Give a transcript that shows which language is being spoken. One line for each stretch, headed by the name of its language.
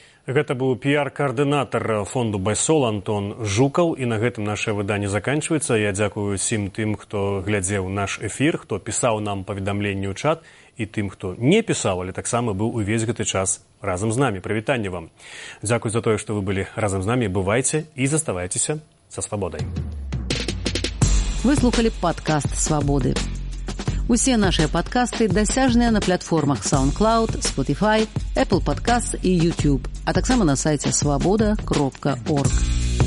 Belarusian: Гэта быў піар-каардынатар фонду «Байсол» Антон Жукаў. І на гэтым наше выданне заканчваецца. Я дзякую ўсім тым, хто глядзеў наш эфір, хто пісаў нам паведамленні ў чат, і тым, хто не пісаў, але таксама быў увесь гэты час
Ukrainian: разом з нами. Привітання вам. Дякую за те, що ви були разом з нами. Бувайте і залишайтеся зі свободою. Ви слухали подкаст «Свободи». Усі наші подкасти досяжні на платформах SoundCloud, Spotify, Apple Podcasts і YouTube, а так само на сайті свобода.org.